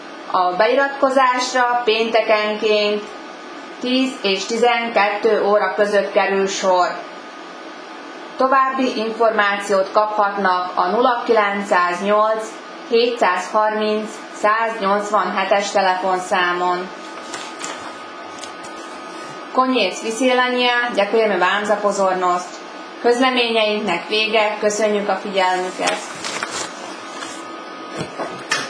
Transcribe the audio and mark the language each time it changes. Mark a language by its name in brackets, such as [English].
[Hungarian] A beiratkozásra péntekenként 10 és 12 óra között kerül sor. További információt kaphatnak a 0908 730 187-es telefonszámon. [Slovak] Koniec vysielania, ďakujeme vám za pozornosť. [Hungarian] Közleményeinknek vége, köszönjük a figyelmüket.